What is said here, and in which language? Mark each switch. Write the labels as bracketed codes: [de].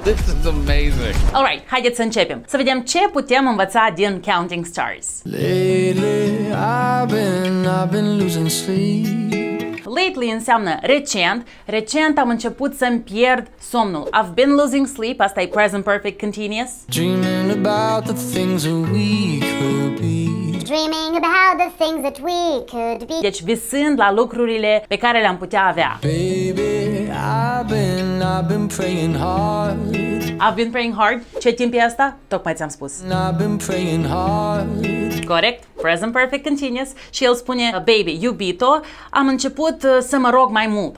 [en] This is amazing. [ro] Alright, haideți să începem. Să vedem ce putem învăța din Counting Stars. [en] Lately I've been losing sleep. [ro] Lately înseamnă recent. Recent am început să-mi pierd somnul. [en] I've been losing sleep. [ro] Asta e [en] present perfect continuous. Dreaming about the things that we could be. Dreaming about the things that we could be. [ro] Deci visând la lucrurile pe care le-am putea avea. [en] Baby, I've been praying hard. I've been praying hard. [ro] Ce timp e asta? Tocmai ți-am spus. [en] I've been praying hard. [ro] Corect, present perfect continuous. Și el spune, baby, iubito, am început să mă rog mai mult.